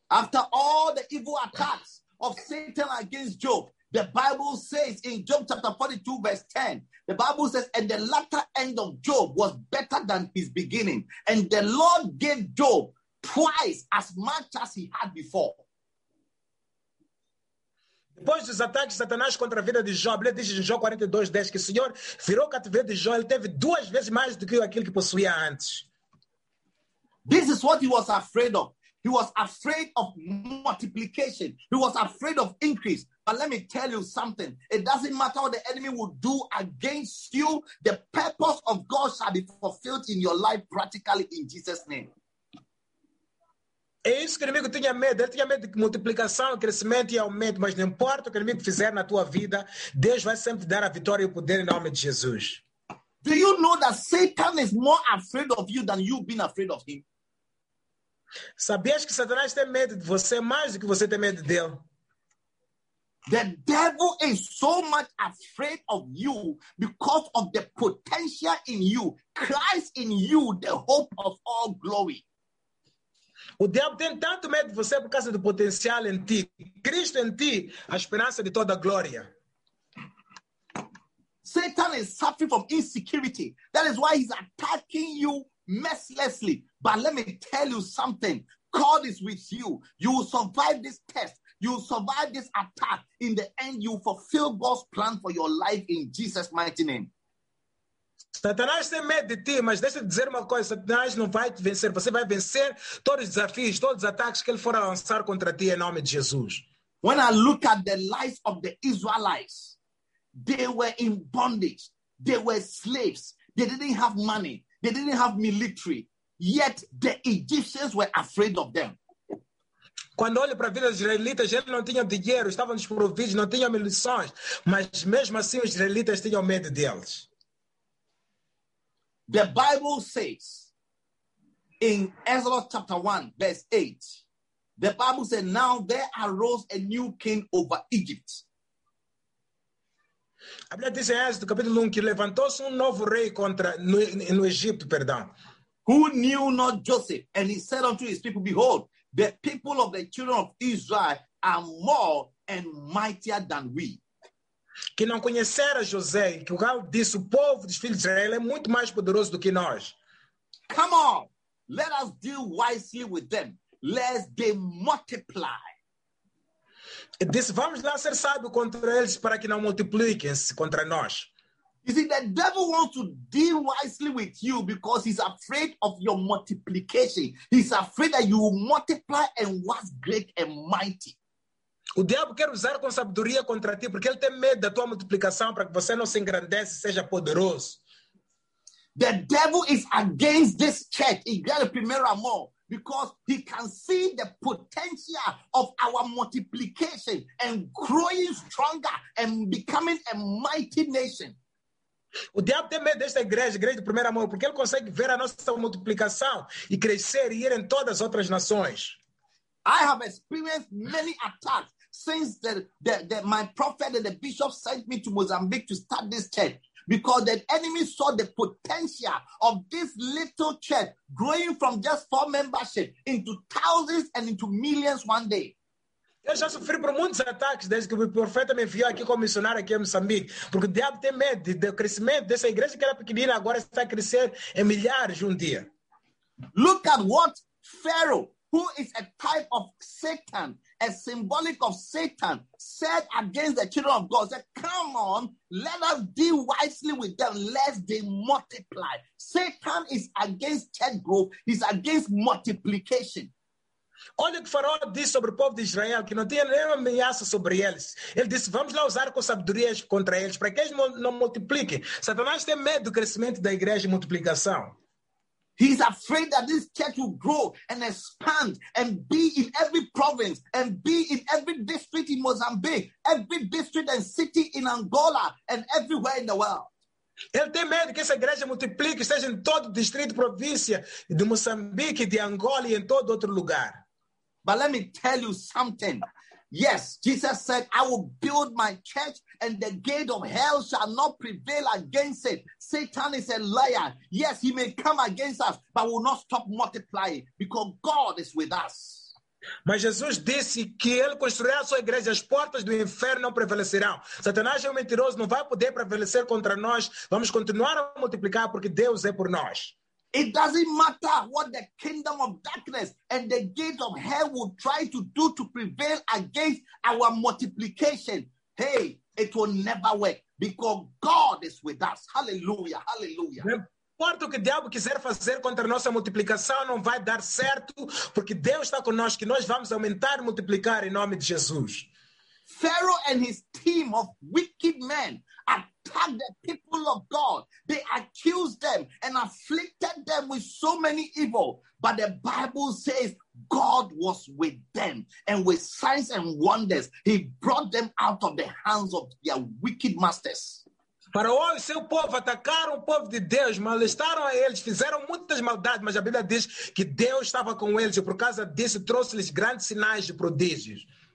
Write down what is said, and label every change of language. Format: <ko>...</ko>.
<en>After all the evil attacks of Satan against Job, the Bible says in Job chapter 42, verse 10, the Bible says, and the latter end of Job was better than his beginning, and the Lord gave Job twice as much as he had before.</en> <pt>Depois dos ataques de Satanás contra a vida de Jó, ele diz em Jó 42, 10, que o Senhor virou o cativeiro de Jó, ele teve duas vezes mais do que aquilo que possuía antes.</pt> <en>This is what he was afraid of. He was afraid of multiplication. He was afraid of increase. But let me tell you something. It doesn't matter what the enemy will do against you. The purpose of God shall be fulfilled in your life practically in Jesus' name.</en> <pt>É isso que o inimigo tinha medo. Ele tinha medo de multiplicação, crescimento e aumento. Mas não importa o que o inimigo fizer na tua vida, Deus vai sempre dar a vitória e o poder em nome de Jesus.</pt> <en>Do you know that Satan is more afraid of you than you being afraid of him?</en> <pt>Sabias que Satanás tem medo de você mais do que você tem medo dele?</pt> <en>The devil is so much afraid of you because of the potential in you. Christ in you, the hope of all glory.</en> <pt>O diabo tem tanto medo de você por causa do potencial em ti. Cristo em ti, a esperança de toda a glória.</pt> <en>Satan is suffering from insecurity. That is why he's attacking you mercilessly. But let me tell you something. God is with you. You will survive this test. You will survive this attack. In the end, you will fulfill God's plan for your life in Jesus' mighty name.</en> <pt>Satanás tem medo de ti, mas deixa eu dizer uma coisa, Satanás não vai te vencer, você vai vencer todos os desafios, todos os ataques que ele for lançar contra ti em nome de Jesus.</pt> <en>When I look at the lives of the Israelites, they were in bondage, they were slaves, they didn't have money, they didn't have military, yet the Egyptians were afraid of them.</en> <pt>Quando olho para a vida dos israelitas, eles não tinham dinheiro, estavam desprovidos, não tinham munições, mas mesmo assim os israelitas tinham medo deles.</pt> <en>The Bible says in Exodus chapter 1, verse 8, the Bible says, now there arose a new king over Egypt.</en> <pt>A Bíblia diz em Êxodo, capítulo 1, que levantou-se novo rei contra no Egito, perdão.</pt> <en>Who knew not Joseph? And he said unto his people, behold, the people of the children of Israel are more and mightier than we.</en> <pt>Que não conhecera José, que o qual disse, o povo dos filhos de Israel é muito mais poderoso do que nós.</pt> <en>Come on, let us deal wisely with them, lest they multiply.</en> <pt>Disse, vamos lá ser sábios contra eles para que não multipliquem-se contra nós.</pt> <en>You see, the devil wants to deal wisely with you because he's afraid of your multiplication. He's afraid that you will multiply and was great and mighty.</en> <pt>O diabo quer usar com sabedoria contra ti porque ele tem medo da tua multiplicação para que você não se engrandece e seja poderoso.</pt> <en>The devil is against this church, igreja primeiro amor, because he can see the potential of our multiplication and growing stronger and becoming a mighty nation.</en> <pt>O diabo tem medo desta igreja, igreja do primeiro amor, porque ele consegue ver a nossa multiplicação e crescer e ir em todas as outras nações.</pt> <en>I have experienced many attacks since my prophet and the bishop sent me to Mozambique to start this church. Because the enemy saw the potential of this little church growing from just 4 membership into thousands and into millions one day.</en> <pt>Eu já sofri por muitos ataques desde que o profeta me enviou aqui como missionário aqui em Moçambique. Porque o diabo tem medo do crescimento dessa igreja que era pequenina, agora está a crescer em milhares um dia.</pt> <en>Look at what Pharaoh, who is a type of Satan, a symbolic of Satan, said against the children of God. Said, come on, let us deal wisely with them, lest they multiply. Satan is against church growth, he's against multiplication.</en> <pt>Olha o que Faraó disse sobre o povo de Israel, que não tinha nenhuma ameaça sobre eles. Ele disse, vamos lá usar com sabedoria contra eles, para que eles não multipliquem. Satanás tem medo do crescimento da igreja e multiplicação.</pt> <en>He's afraid that this church will grow and expand and be in every province and be in every district in Mozambique, every district and city in Angola and everywhere in the world.</en> <pt>Ele tem medo que essa igreja multiplique, esteja em todo o distrito, província de Moçambique, de Angola e em todo outro lugar.</pt> <en>But let me tell you something. Yes, Jesus said, I will build my church and the gate of hell shall not prevail against it. Satan is a liar. Yes, he may come against us, but will not stop multiplying because God is with us.</en> <pt>Mas Jesus disse que ele construirá a sua igreja, as portas do inferno não prevalecerão. Satanás é um mentiroso, não vai poder prevalecer contra nós. Vamos continuar a multiplicar porque Deus é por nós.</pt> <en>It doesn't matter what the kingdom of darkness and the gate of hell will try to do to prevail against our multiplication. Hey, it will never work because God is with us. Hallelujah, hallelujah.</en> <pt>Não importa o que o diabo quiser fazer contra a nossa multiplicação, não vai dar certo, porque Deus está conosco e nós vamos aumentar e multiplicar em nome de Jesus.</pt> <en>Pharaoh and his team of wicked men attacked the people of God. They accused them and afflicted them with so many evil. But the Bible says God was with them. And with signs and wonders, he brought them out of the hands of their wicked masters.</en> <pt>Faraó e seu povo atacaram o povo de Deus, molestaram a eles, fizeram muitas maldades, mas a Bíblia diz que Deus estava com eles e por causa disso trouxe-lhes grandes sinais de prodígios.</pt>